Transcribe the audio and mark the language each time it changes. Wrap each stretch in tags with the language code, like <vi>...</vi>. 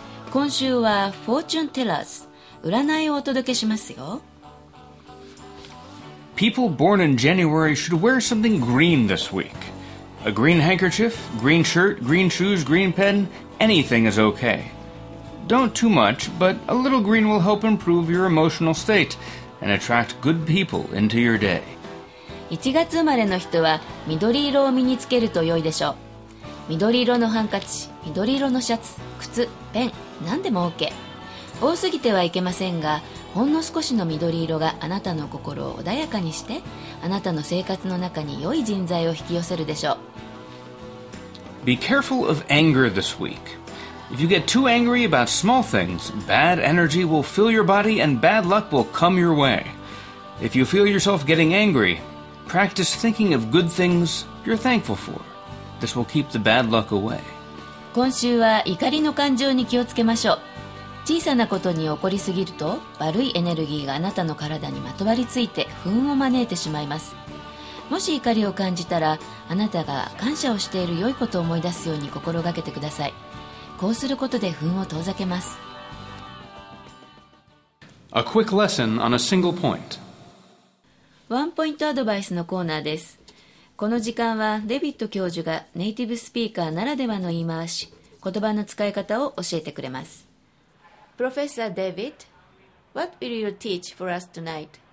<ja>今週はフォーチュンテラーズ、占いをお届けしますよ。</ja> <en>People born in January should wear something green this week. A green handkerchief, green shirt, green shoes, green penAnything is okay. Don't too much, but a little green will help improve your emotional state and attract good people into your day.</en> <ja>1月生まれの人は緑色を身につけると良いでしょう。緑色のハンカチ、緑色のシャツ、靴、ペン、何でも OK。多すぎてはいけませんが、ほんの少しの緑色があなたの心を穏やかにして、あなたの生活の中に良い人材を引き寄せるでしょう。</ja> <en>Be careful of anger this week. If you get too angry about small things, bad energy will fill your body and bad luck will come your way. If you feel yourself getting angry, practice thinking of good things you're thankful for. This will keep the bad luck away.</en> <ja>今週は怒りの感情に気をつけましょう。小さなことに怒りすぎると、悪いエネルギーがあなたの体にまとわりついて不運を招いてしまいます。もし怒りを感じたら、あなたが感謝をしている良いことを思い出すように心がけてください。こうすることで不運を遠ざけます。</ja> <en>A quick lesson on a single point.</en> <ja>ワンポイントアドバイスのコーナーです。この時間はデビッド教授がネイティブスピーカーならではの言い回し、言葉の使い方を教えてくれます。</ja> <en>Professor David, what will you teach for us tonight?</en>